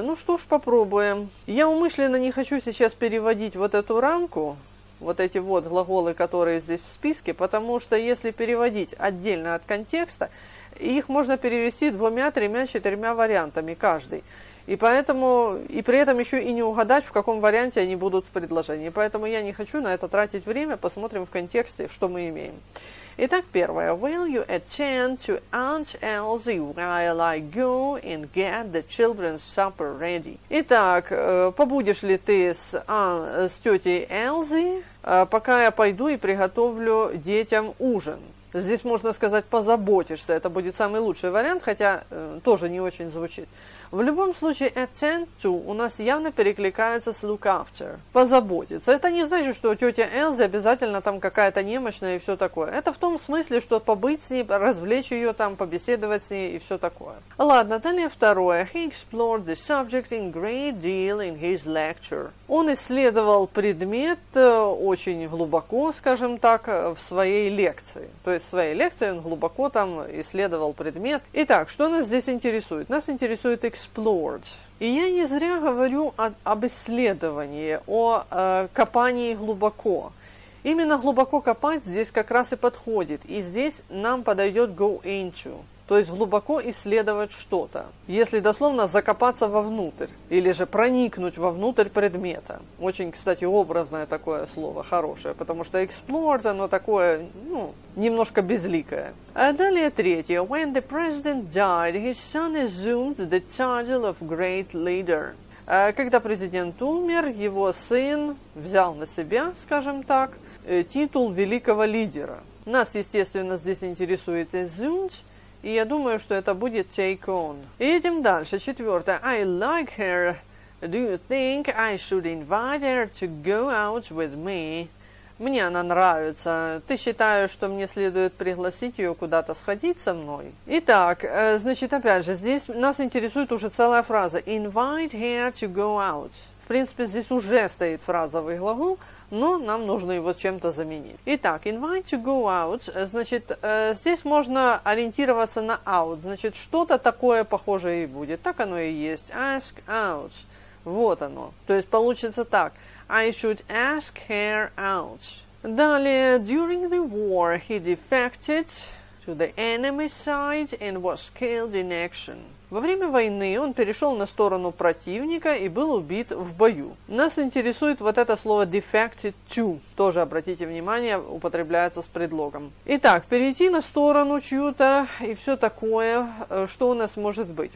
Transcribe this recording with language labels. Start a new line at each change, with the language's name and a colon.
Russian: Ну что ж, попробуем. Я умышленно не хочу сейчас переводить вот эту рамку, вот эти вот глаголы, которые здесь в списке, потому что если переводить отдельно от контекста, их можно перевести двумя, тремя, четырьмя вариантами каждый. И поэтому, и при этом еще и не угадать, в каком варианте они будут в предложении. Поэтому я не хочу на это тратить время. Посмотрим в контексте, что мы имеем. Итак, первое.
English: Will you attend to Aunt Elsie while I go and get the children's supper ready?
Russian: Итак, побудешь ли ты с тетей Элзи, пока я пойду и приготовлю детям ужин? Здесь можно сказать «позаботишься», это будет самый лучший вариант, хотя тоже не очень звучит. В любом случае «attend to» у нас явно перекликается с «look after», «позаботиться». Это не значит, что тетя Элзи обязательно там какая-то немощная и все такое. Это в том смысле, что побыть с ней, развлечь ее там, побеседовать с ней и все такое. Ладно, далее второе.
English: «He explored the subject in great deal in his lecture».
Russian: Он исследовал предмет очень глубоко, скажем так, в своей лекции. То есть в своей лекции он глубоко там исследовал предмет. Итак, что нас здесь интересует? Нас интересует explored. И я не зря говорю об исследовании, о копании глубоко. Именно глубоко копать здесь как раз и подходит. И здесь нам подойдет go into. То есть глубоко исследовать что-то. Если дословно закопаться вовнутрь. Или же проникнуть вовнутрь предмета. Очень, кстати, образное такое слово, хорошее. Потому что explored, оно такое, ну, немножко безликое. А далее третье.
English: When the president died, his son assumed the title of great leader.
Russian: Когда президент умер, его сын взял на себя, скажем так, титул великого лидера. Нас, естественно, здесь интересует assumed. И я думаю, что это будет take on. Идем дальше. Четвертое.
English: I like her. Do you think I should invite her to go out with me?
Russian: Мне она нравится. Ты считаешь, что мне следует пригласить ее куда-то сходить со мной? Итак, значит, опять же, здесь нас интересует уже целая фраза.
English: Invite her to go out.
Russian: В принципе, здесь уже стоит фразовый глагол, но нам нужно его чем-то заменить. Итак, invite to go out, значит, здесь можно ориентироваться на out, значит, что-то такое похожее и будет, так оно и есть.
English: Ask out,
Russian: вот оно. То есть получится так,
English: I should ask her out.
Russian: Далее,
English: during the war he defected to the enemy side and was killed in action.
Russian: Во время войны он перешел на сторону противника и был убит в бою. Нас интересует вот это слово defected to. Тоже обратите внимание, употребляется с предлогом. Итак, перейти на сторону чью-то и все такое, что у нас может быть.